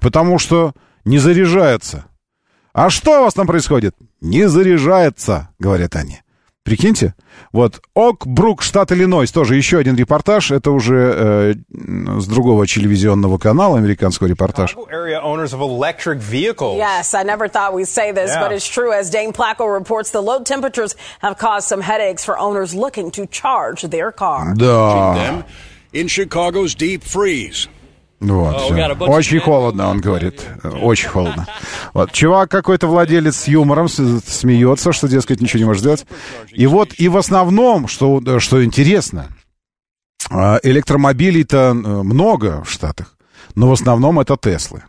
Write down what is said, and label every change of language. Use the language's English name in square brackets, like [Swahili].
[Russian] Потому что не заряжается. А что у вас там происходит? Не заряжается, говорят они. Прикиньте. Вот Ок Брук, штат Иллинойс, тоже еще один репортаж. Это уже с другого телевизионного канала, американского репортаж. [English] Yes, I never thought we'd say this, yeah. But it's true. As Dane Placco reports, the low temperatures have caused some headaches for owners looking to charge their car. [Russian] Да. [English] In Chicago's deep freeze. [Russian] Вот, очень холодно, он говорит, очень холодно. Вот, чувак какой-то владелец с юмором смеется, что, дескать, ничего не может сделать. И вот, и в основном, что интересно, электромобилей-то много в Штатах, но в основном это Теслы.